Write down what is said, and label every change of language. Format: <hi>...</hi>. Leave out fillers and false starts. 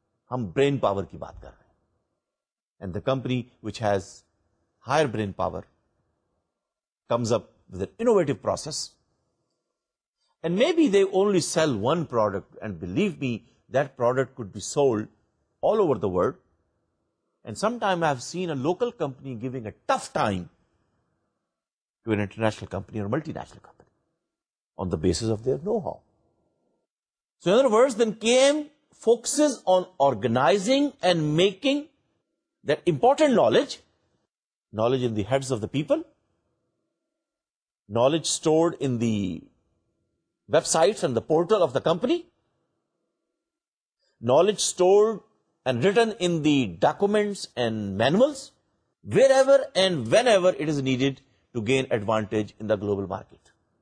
<ur>ہم brain power کی بات کر رہے ہیں.</ur> <en>And the company which has higher brain power comes up with an innovative process and may be they only sell one product and believe me that product could be sold all over the world and some time I have seen a local company giving a tough time to an international company or multinational company on the basis of their know how. So in other words then came focuses on organizing and making that important knowledge in the heads of the people, knowledge stored in the websites and the portal of the company, knowledge stored and written in the documents and manuals, wherever and whenever it is needed to gain advantage in the global market.</en>